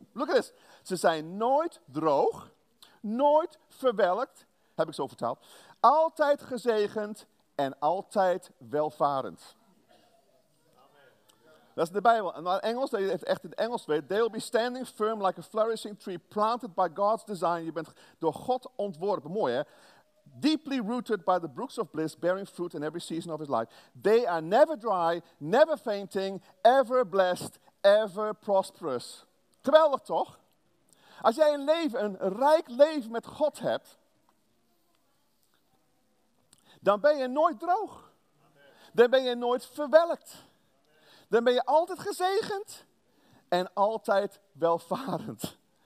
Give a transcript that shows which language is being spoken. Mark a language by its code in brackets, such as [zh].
[en] Look at this, [nl] ze zijn nooit droog, nooit verwelkt, heb ik zo vertaald, altijd gezegend en altijd welvarend. Dat is de Bijbel. En in Engels, dat je het echt in het Engels weet. [en] They'll be standing firm like a flourishing tree planted by God's design. [nl] Je bent door God ontworpen. Mooi, hè? [en] Deeply rooted by the brooks of bliss, bearing fruit in every season of his life. They are never dry, never fainting, ever blessed, ever prosperous. [nl] Geweldig, toch? Als jij een leven, een rijk leven met God hebt, dan ben je nooit droog. Dan ben je nooit verwelkt. Dan ben je altijd gezegend en altijd welvarend.